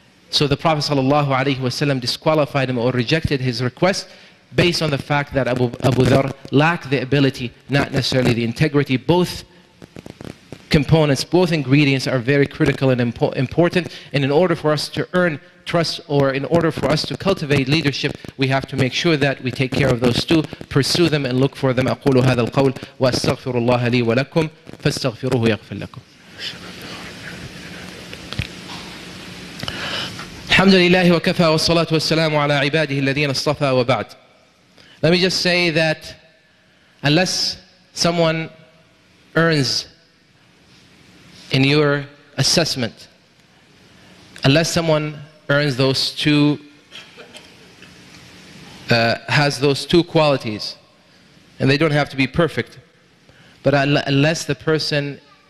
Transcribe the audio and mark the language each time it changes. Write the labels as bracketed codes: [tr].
[en] So the Prophet sallallahu alayhi wa sallam disqualified him or rejected his request, based on the fact that Abu Dharr lacked the ability, not necessarily the integrity. Both components, both ingredients are very critical and important. And in order for us to earn trust, or in order for us to cultivate leadership, we have to make sure that we take care of those two, pursue them and look for them. [ar] أقول هذا القول وأستغفر الله لي ولكم فاستغفروه يغفر لكم. الحمد لله وكفى والصلاة والسلام على عباده الذين اصطفى وبعد. [en] Let me just say that unless someone earns in your assessment, unless someone earns those two, has those two qualities, and they don't have to be perfect, but unless the person